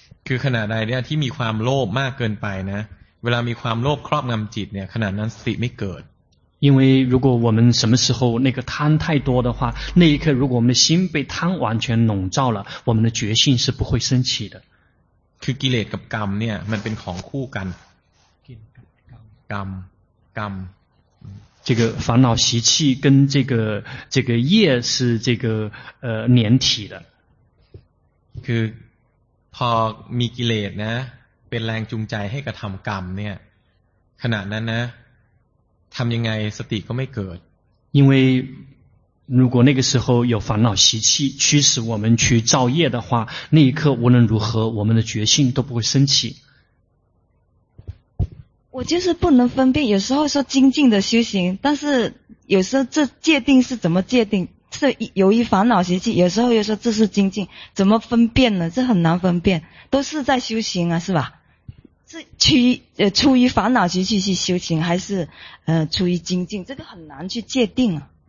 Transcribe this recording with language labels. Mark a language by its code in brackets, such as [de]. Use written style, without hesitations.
[th] คือขณะใดเนี่ยที่มีความโลภมากเกินไปนะเวลามีความโลภครอบงำจิตเนี่ยขณะนั้นสติไม่เกิด [zh] 因为如果我们什么时候那个贪太多的话那一刻如果我们的心被贪完全笼罩了我们的觉性是不会升起的 [th] คือกิเลสกับกรรมเนี่ยมันเป็นของคู่กันกรรม [zh] 这个烦恼习气跟这个业是连体的 [th] คือพอมีกิเลสนะเป็นแรงจูงใจให้กระทำกรรมเนี่ยขณะนั้นนะทำยังไงสติก็ไม่เกิด [zh] 因为如果那个时候有烦恼习气驱使我们去造业的话那一刻无论如何我们的觉性都不会升起我就是不能分辨有时候说精进的修行但是有时候这戒定是怎么戒定是由于烦恼习气有时候又说这是精进怎么分辨呢这很难分辨都是在修行啊是吧是出于烦恼习气去修行还是出于精进这个很难去戒定啊